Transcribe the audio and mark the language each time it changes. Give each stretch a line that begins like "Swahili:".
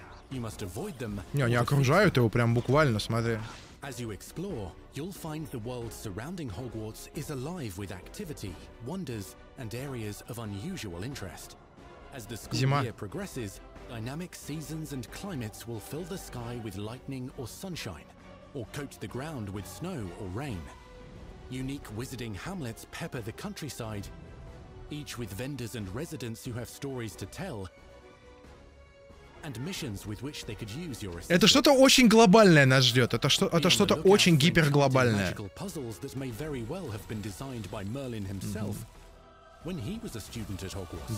Russian: Не, они окружают его прям буквально, смотри.
English: As you explore, you'll find the world surrounding Hogwarts is alive with activity, wonders, and areas of unusual interest. As the school year progresses, dynamic seasons and climates will fill the sky with lightning or sunshine. Or coat the ground with snow or rain. Unique wizarding hamlets pepper the countryside, each with vendors and residents who have stories to tell, and missions with which they could use your assistance.
Russian: Это что-то очень глобальное нас ждет. Это что-то очень гиперглобальное.
English: Magical puzzles that may very well have been designed by Merlin himself when he was a student at Hogwarts.